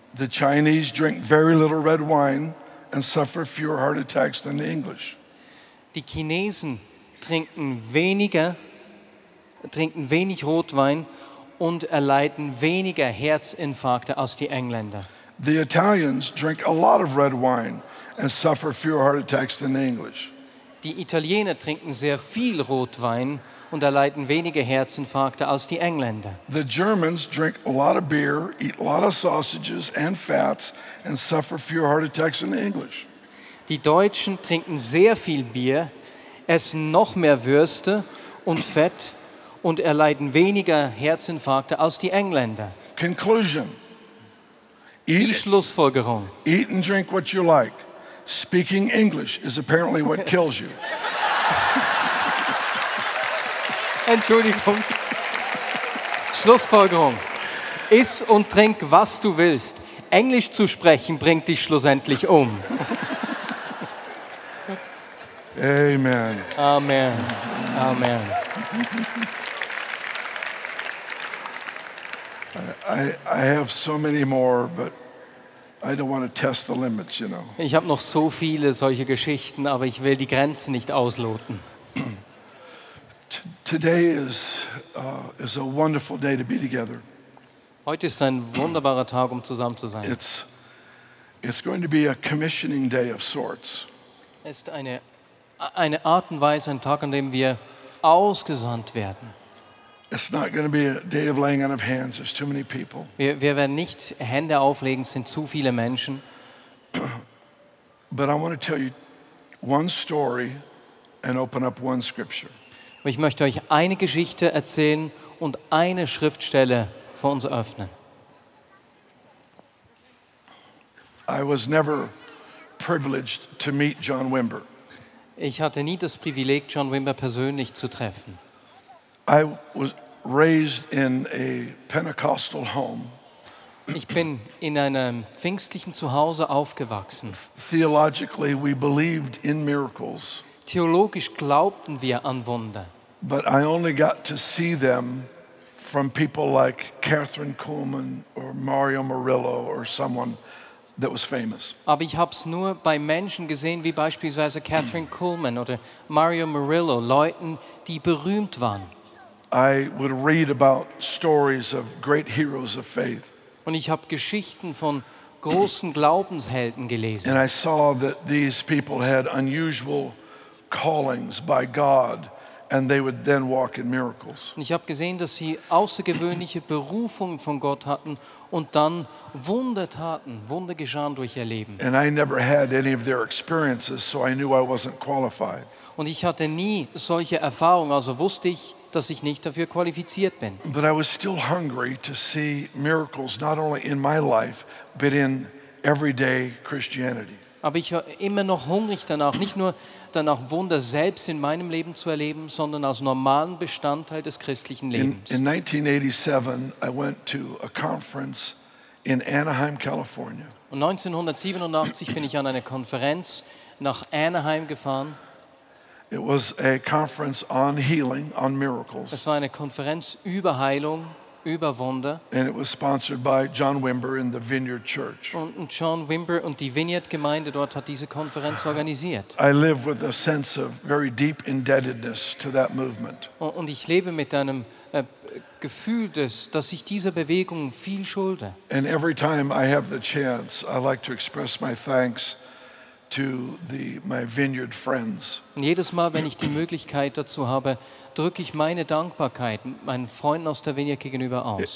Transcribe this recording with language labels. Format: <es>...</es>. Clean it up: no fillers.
<en>The Chinese drink very little red wine and suffer fewer heart attacks than the English.</en> <de>Die Chinesen trinken wenig Rotwein und erleiden weniger Herzinfarkte als die Engländer.</de> <en>The Italians drink a lot of red wine and suffer fewer heart attacks than the English.</en> <de>Die Italiener trinken sehr viel Rotwein und erleiden weniger Herzinfarkte als die Engländer.</de> <en>The Germans drink a lot of beer, eat a lot of sausages and fats and suffer fewer heart attacks than the English.</en> <de>Die Deutschen trinken sehr viel Bier, essen noch mehr Würste und Fett und erleiden weniger Herzinfarkte als die Engländer.</de> <en>Conclusion.</en> <de>Die Schlussfolgerung.</de> <en>Eat and drink what you like. Speaking English is apparently what kills you.</en> <de>Entschuldigung. Schlussfolgerung. Iss und trink, was du willst. Englisch zu sprechen bringt dich schlussendlich um.</de> <en>Amen.</en> <de>Amen. Amen.</de> <en>I have so many more, but I don't want to test the limits, you know.</en> <de>Ich habe noch so viele solche Geschichten, aber ich will die Grenzen nicht ausloten.</de> <en>Today is a wonderful day to be together.</en> <de>Heute ist ein wunderbarer Tag, um zusammen zu sein.</de> <en>It's going to be a commissioning day of sorts.</en> <de>Es ist eine Art und Weise, ein Tag, an dem wir ausgesandt werden.</de> <en>It's not going to be a day of laying on of hands. There's too many people.</en> <de>Wir werden nicht Hände auflegen. Es sind zu viele Menschen.</de> <en>But I want to tell you one story and open up one scripture.</en> <de>Ich möchte euch eine Geschichte erzählen und eine Schriftstelle vor uns öffnen.</de> <en>I was never privileged to meet John Wimber.</en> <de>Ich hatte nie das Privileg, John Wimber persönlich zu treffen.</de> <en>I was raised in a Pentecostal home.</en> <de>Ich bin in einem pfingstlichen Zuhause aufgewachsen.</de> <en>Theologically, we believed in miracles.</en> <de>Theologisch glaubten wir an Wunder.</de> <en>But I only got to see them from people like Catherine Kuhlman or Mario Murillo or someone that was famous.</en> <de>Aber ich hab's nur bei Menschen gesehen, wie beispielsweise Catherine Kuhlman oder Mario Murillo, Leuten, die berühmt waren.</de> <en>I would read about stories of great heroes of faith.</en> <de>Und ich habe Geschichten von großen Glaubenshelden gelesen.</de> <en>And I saw that these people had unusual callings by God And they would then walk in miracles.</en> <de>Ich habe gesehen, dass sie außergewöhnliche Berufungen von Gott hatten und dann Wunder taten, Wunder geschahen durch ihr Leben.</de> <en>And I never had any of their experiences, so I knew I wasn't qualified.</en> <de>Und ich hatte nie solche Erfahrungen, also wusste ich, dass ich nicht dafür qualifiziert bin.</de> <en>But I was still hungry to see miracles not only in my life, but in everyday Christianity.</en> <de>Aber ich war immer noch hungrig danach, nicht nur danach Wunder selbst in meinem Leben zu erleben, sondern als normalen Bestandteil des christlichen Lebens.</de> <en>In 1987 I went to a conference in Anaheim, California.</en> <de>Und 1987 bin ich an eine Konferenz nach Anaheim gefahren.</de> <en>It was a conference on healing, on miracles.</en> <de>Es war eine Konferenz über Heilung, über Wunder.</de> <en>And it was sponsored by John Wimber and the Vineyard Church.</en> <de>Und John Wimber und die Vineyard Gemeinde dort hat diese Konferenz organisiert.</de> <en>I live with a sense of very deep indebtedness to that movement.</en> <de>Und ich lebe mit einem Gefühl, dass ich dieser Bewegung viel schulde.</de> <en>And every time I have the chance, I like to express my thanks to my Vineyard friends.</en> <de>Und jedes Mal, wenn ich die Möglichkeit dazu habe, drücke ich meine Dankbarkeit meinen Freunden aus der Vineyard gegenüber aus.</de>